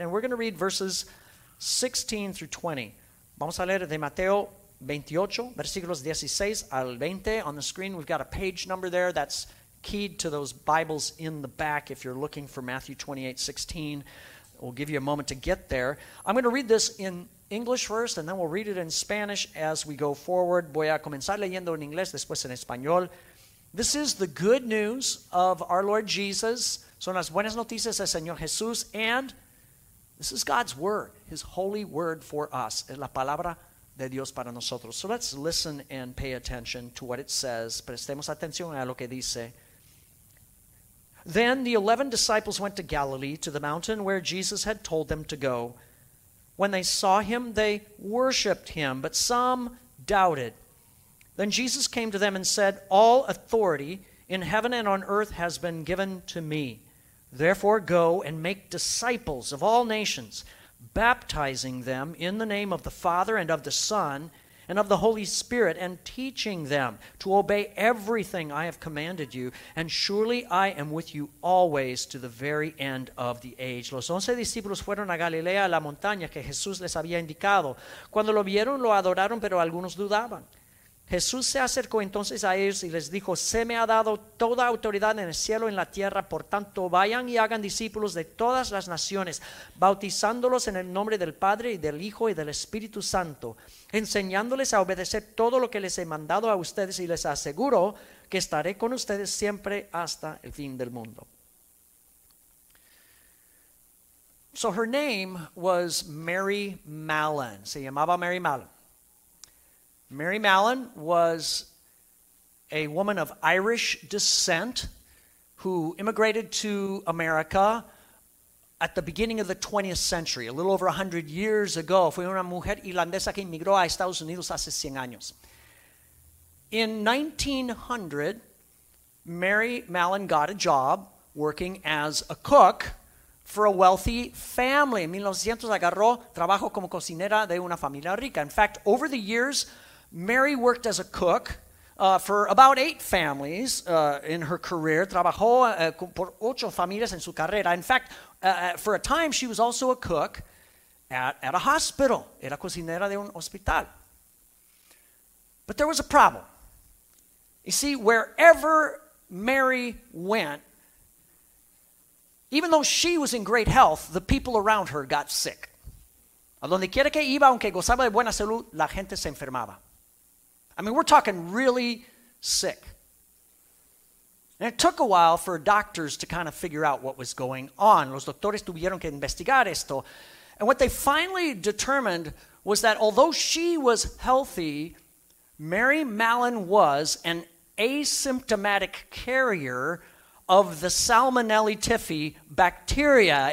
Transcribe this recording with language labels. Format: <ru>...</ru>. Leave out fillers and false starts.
<en>And we're going to read verses 16 through 20.</en> <es>Vamos a leer de Mateo 28, versículos 16 al 20.</es> <en>On the screen, we've got a page number there that's keyed to those Bibles in the back if you're looking for Matthew 28, 16. We'll give you a moment to get there. I'm going to read this in English first, and then we'll read it in Spanish as we go forward.</en> <es>Voy a comenzar leyendo en inglés, después en español.</es> <en>This is the good news of our Lord Jesus.</en> <es>Son las buenas noticias del Señor Jesús.</es> <en>And this is God's word, his holy word for us.</en> <es>Es la palabra de Dios para nosotros.</es> <en>So let's listen and pay attention to what it says.</en> <es>Prestemos atención a lo que dice.</es> <en>Then the 11 disciples went to Galilee, to the mountain where Jesus had told them to go. When they saw him, they worshipped him, but some doubted. Then Jesus came to them and said, "All authority in heaven and on earth has been given to me. Therefore, go and make disciples of all nations, baptizing them in the name of the Father and of the Son and of the Holy Spirit, and teaching them to obey everything I have commanded you. And surely I am with you always to the very end of the age."</en> <es>Los 11 discípulos fueron a Galilea, a la montaña que Jesús les había indicado. Cuando lo vieron, lo adoraron, pero algunos dudaban. Jesús se acercó entonces a ellos y les dijo, "Se me ha dado toda autoridad en el cielo y en la tierra, por tanto vayan y hagan discípulos de todas las naciones, bautizándolos en el nombre del Padre y del Hijo y del Espíritu Santo, enseñándoles a obedecer todo lo que les he mandado a ustedes, y les aseguro que estaré con ustedes siempre hasta el fin del mundo."</es> <en>So her name was Mary Mallon.</en> <es>Se llamaba Mary Mallon.</es> <en>Mary Mallon was a woman of Irish descent who immigrated to America at the beginning of the 20th century, a little over 100 years ago.</en> <es>Fue una mujer irlandesa que inmigró a Estados Unidos hace 100 años.</es> <en>In 1900, Mary Mallon got a job working as a cook for a wealthy family.</en> <es>En 1900 agarró trabajo como cocinera de una familia rica.</es> <en>In fact, over the years, Mary worked as a cook for about 8 families in her career.</en> <es>Trabajó por 8 familias en su carrera.</es> <en>In fact, for a time, she was also a cook at a hospital.</en> <es>Era cocinera de un hospital.</es> <en>But there was a problem. You see, wherever Mary went, even though she was in great health, the people around her got sick.</en> <es>A donde quiera que iba, aunque gozaba de buena salud, la gente se enfermaba.</es> <en>I mean, we're talking really sick. And it took a while for doctors to kind of figure out what was going on.</en> <es>Los doctores tuvieron que investigar esto.</es> <en>And what they finally determined was that although she was healthy, Mary Mallon was an asymptomatic carrier of the Salmonella typhi bacteria.</en>